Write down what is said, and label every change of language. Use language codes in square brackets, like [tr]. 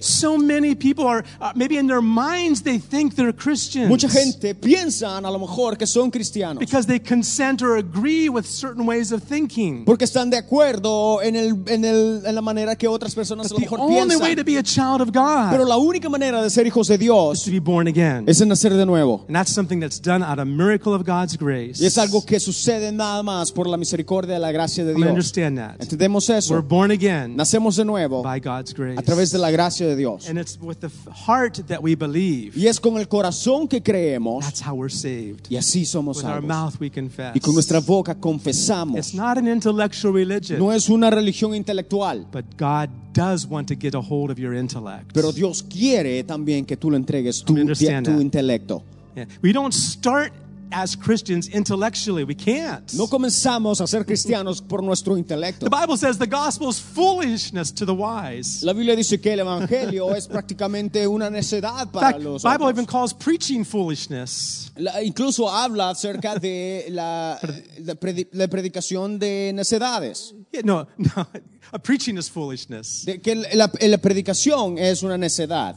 [en] So many people are maybe in their minds they think they're Christians. [es] Mucha gente piensan a lo mejor que son cristianos. [en] Because they consent or agree with certain ways of thinking. [es] Porque están de acuerdo en la manera que otras personas a lo mejor piensan. [en] The only way to be a child of God. [es] Pero la única manera de ser hijos de Dios [en] is to be born again. [es] Es nacer de nuevo. [en] And that's something that's done out of miracle of God's grace. [es] Y es algo que sucede nada más por la misericordia y la gracia de Dios. [en] We understand that. [es] Entendemos eso. [en] We're born again. [es] Nacemos de nuevo. [en] By God's grace. [es] A través de la gracia de Dios. [en] And it's with the heart that we believe. [es] Y es con el corazón que creemos. [en] That's how we're saved. [es] Y así somos [en] with [es] salvos. [en] With our mouth we confess. [es] Y con nuestra boca confesamos. [en] It's not an intellectual religion. [es] No es una religión intelectual. [en] But God does want to get a hold of your intellect. [es] Pero Dios quiere también que tú le entregues tu intelecto. [en] Yeah. We don't start as Christians intellectually. We can't. [es] No comenzamos a ser cristianos por nuestro intelecto. [en] The Bible says the gospel is foolishness to the wise. [es] La Biblia dice que el evangelio es prácticamente una necedad para [en] fact, [es] los otros. [en] The Bible even calls preaching foolishness. [es] Incluso habla acerca de la predicación de necedades. [en] Yeah, no. A preaching is foolishness. [es] Que la predicación es una necedad.